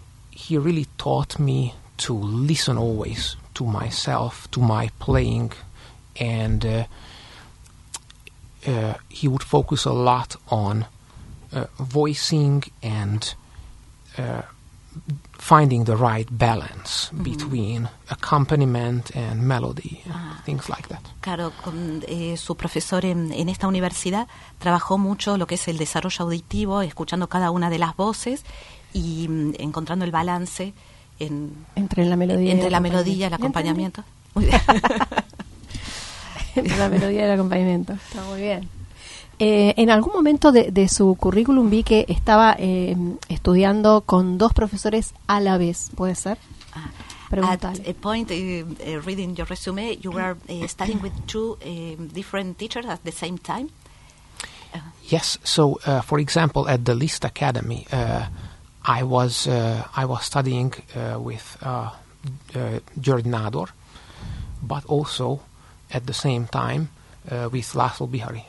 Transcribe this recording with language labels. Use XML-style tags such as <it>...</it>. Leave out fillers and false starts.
<en>He really taught me to listen always to myself, to my playing, and he would focus a lot on voicing and finding the right balance mm-hmm. between accompaniment and melody, things like that.</en> <es>Claro, con su profesor en esta universidad trabajó mucho lo que es el desarrollo auditivo, escuchando cada una de las voces y encontrando el balance entre la melodía y el acompañamiento. Muy bien. Entre la melodía y el acompañamiento. Está muy bien. En algún momento de su currículum vi que estaba estudiando con dos profesores a la vez, ¿puede ser? Preguntale.</es> <en>At a point, reading your resume, you were studying with two different teachers at the same time? Yes, so for example, at the Liszt Academy, I was studying with György Nádor, but also at the same time with László Bihari.</en>